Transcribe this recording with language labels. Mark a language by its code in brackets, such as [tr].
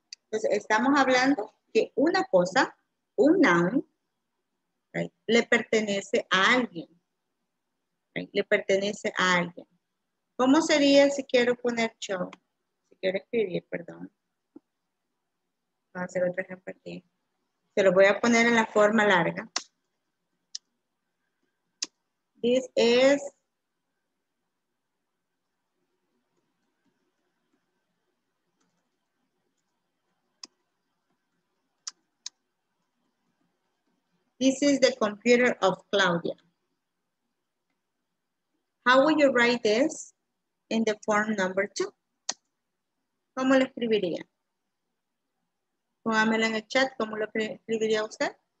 [es] Entonces estamos hablando que una cosa, un noun, right, le pertenece a alguien. Right, le pertenece a alguien. ¿Cómo sería si quiero poner yo? Si quiero escribir, perdón. Voy a hacer otro ejemplo aquí. Se lo voy a poner en la forma larga. [en] This is This is the computer of Claudia. How will you write this in the form number two? [es] ¿Cómo lo escribiría? Póngamelo en el chat, ¿cómo lo escribiría usted?